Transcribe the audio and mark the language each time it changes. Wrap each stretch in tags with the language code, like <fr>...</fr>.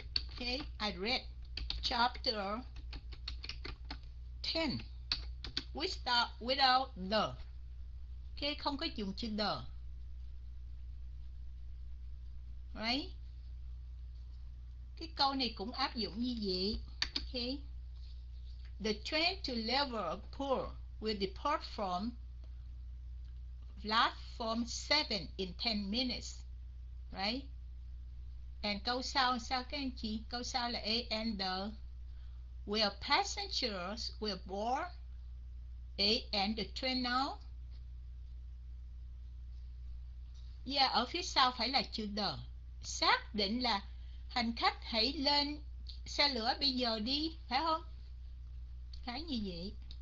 <en>Okay, I read chapter 10 without the.</en> <vi>Okay, không có dùng chữ the. Right? Cái câu này cũng áp dụng như vậy. Okay.</vi> <en>The train to Liverpool will depart from platform 7 in 10 minutes. Right?</en> <vi>And câu sau sao các anh chị? Câu sau là A and the.</vi> <en>Will passengers will board A and the train now?</en> <vi>Yeah, ở phía sau phải là chữ the. Xác định là hành khách hãy lên xe lửa bây giờ đi, phải không? Khá như vậy.</vi>